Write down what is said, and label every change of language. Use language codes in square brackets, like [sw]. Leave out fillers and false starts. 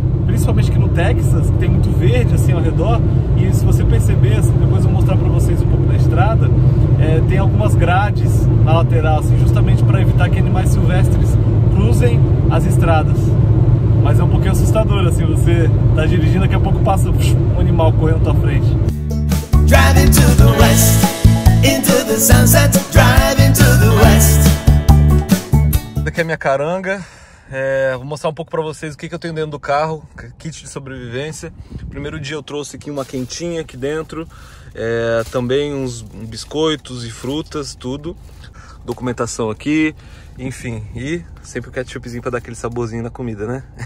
[pt] principalmente aqui no Texas, que tem muito verde assim ao redor, e se você perceber, assim, depois eu vou mostrar pra vocês um pouco da estrada, tem algumas grades na lateral, assim, justamente para evitar que animais silvestres cruzem as estradas. Mas é um pouquinho assustador, assim, você tá dirigindo, daqui a pouco passa um animal correndo na tua frente. [en] Driving to the west, into the sunset, driving to the west. [pt] Essa aqui é a minha caranga, vou mostrar um pouco pra vocês o que eu tenho dentro do carro, kit de sobrevivência. Primeiro dia eu trouxe aqui uma quentinha aqui dentro, também uns biscoitos e frutas, tudo. Documentação aqui. Enfim, e sempre o ketchupzinho pra dar aquele saborzinho na comida, né?